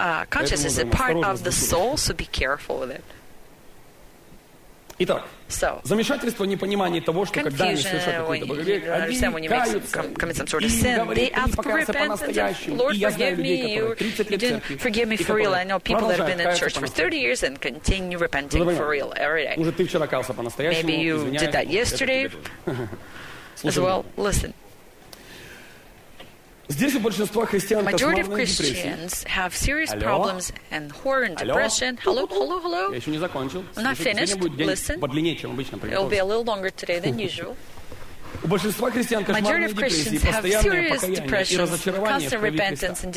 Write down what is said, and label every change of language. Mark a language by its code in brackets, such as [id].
[en] Conscience is a part of the soul, so be careful with it. [ru] Итак, замешательство, непонимание того, что когда они совершают какое-то благовестие, они каются, [en] sort of [ru] и говорят, ты не покаялся по-настоящему, и я знаю людей, которые 30 лет церкви, и которые продолжают каяться по-настоящему. [en] 30 years and continue repenting for real every day. [ru] Может, ты вчера каялся по-настоящему, извиняюсь, это тебе тоже. [en] As well, listen. [ru] Здесь у большинства христиан [en] have serious problems and horror and depression. Hello. [ru] Я еще не закончил. [en] I'm not finished. Listen. [ru] Подлиннее, чем обычно. [en] It'll be a little longer today than usual. [ru] У большинства христиан кошмарные депрессии, постоянное покаяние и разочарование в крови Христа.